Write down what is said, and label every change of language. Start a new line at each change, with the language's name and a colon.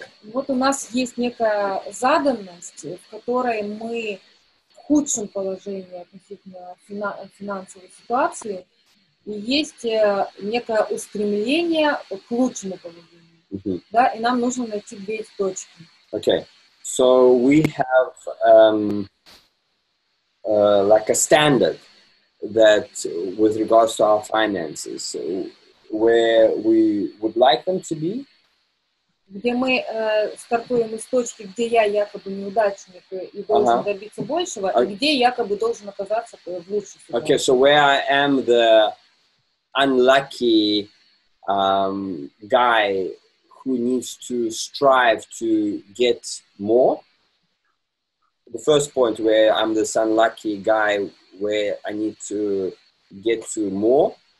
Russian: Вот у нас есть некая заданность, в которой мы в худшем положении относительно финансовой ситуации, и есть некое устремление к лучшему положению. Mm-hmm. Да, и нам нужно найти две точки. Okay.
English: So we have like a standard that with regards to our finances, where we would like them to be.
Russian: Где мы стартуем из точки, где я якобы неудачник и должен uh-huh. добиться большего, и где якобы должен оказаться в лучшей ситуации.
English: Okay, so where I am the unlucky guy who needs to strive to get more. The first point where I'm this unlucky guy where I need to get to more.